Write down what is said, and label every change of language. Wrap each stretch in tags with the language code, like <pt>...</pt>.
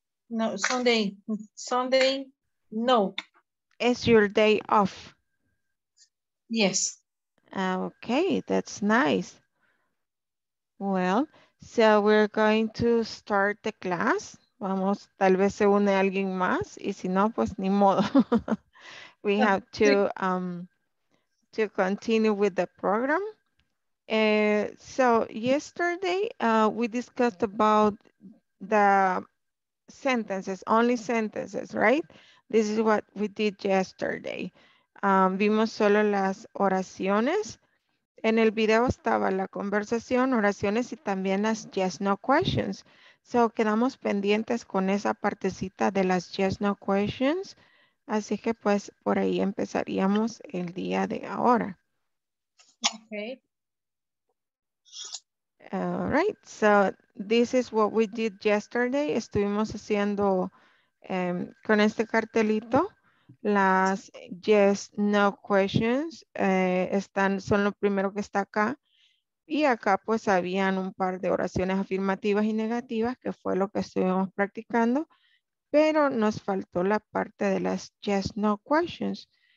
<en>No, Sunday. Sunday, no. Is your day off? Yes. Okay, that's nice. Well, so we're going to start the class.</en> <es>Vamos, tal vez se une alguien más, y si no, pues ni modo.</es> <en>We have to continue with the program. So yesterday we discussed about the sentences, only sentences, right? This is what we did yesterday.</en> <es>Vimos solo las oraciones. En el video estaba la conversación, oraciones y también las yes no questions. So quedamos pendientes con esa partecita de las yes no questions. Así que pues por ahí empezaríamos el día de ahora.</es> <en>Okay. All right, so this is what we did yesterday.</en> <es>Estuvimos haciendo con este cartelito las yes no questions. Son lo primero que está acá, y acá pues habían un par de oraciones afirmativas y negativas, que fue lo que estuvimos practicando, pero nos faltó la parte de las yes no questions.</es>